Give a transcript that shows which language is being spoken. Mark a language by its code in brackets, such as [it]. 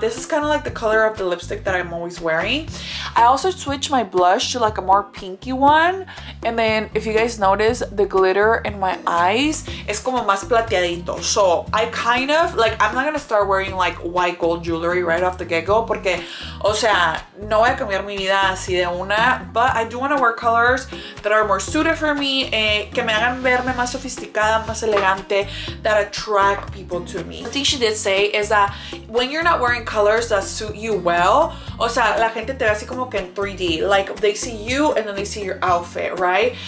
[en] This is kind of like the color of the lipstick that I'm always wearing. I also switched my blush to like a more pinky one. And then if you guys notice, the glitter in my eyes is [es] como más plateadito. [en] So I kind of, like, I'm not going to start wearing like white gold jewelry right off the get-go. [es] Porque, o sea, no voy a cambiar mi vida así de una. [en] But I do want to wear colors that are more suited for me. [es] Que me hagan verme más sofisticada, más elegante, [en] that attract people to me. She did say is that when you're not wearing colors that suit you well, [es] o sea, la gente te ve así como que en 3D, [en] like they see you and then they see your outfit, right?